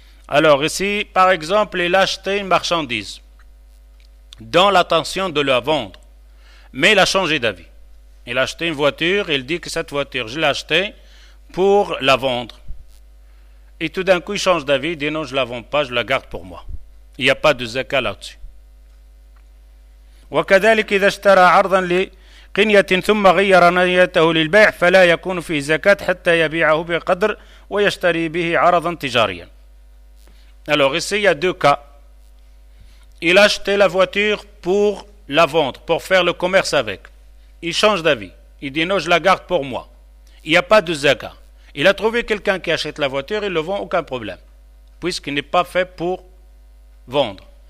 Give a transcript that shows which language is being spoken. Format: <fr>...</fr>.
<fr>Alors ici par exemple il a acheté une marchandise dans l'intention de la vendre mais il a changé d'avis. Il a acheté une voiture, il dit que cette voiture je l'ai achetée pour la vendre. Et tout d'un coup, il change d'avis, il dit non, je ne la vends pas, je la garde pour moi. Il n'y a pas de zakat là-dessus.</fr> <ar>وكذلك إذا اشترى عرضا قنية ثم غير نيته للبيع فلا يكون فيه زكاة حتى يبيعه بقدر ويشتري به عرضا تجاريا.</ar> <fr>Alors ici il y a deux cas. Il a acheté la voiture pour la vendre, pour faire le commerce avec. Il change d'avis. Il dit non, je la garde pour moi. Il n'y a pas de zaka. Il a trouvé quelqu'un qui achète la voiture, il le vend, aucun problème, puisqu'il n'est pas fait pour vendre.</fr>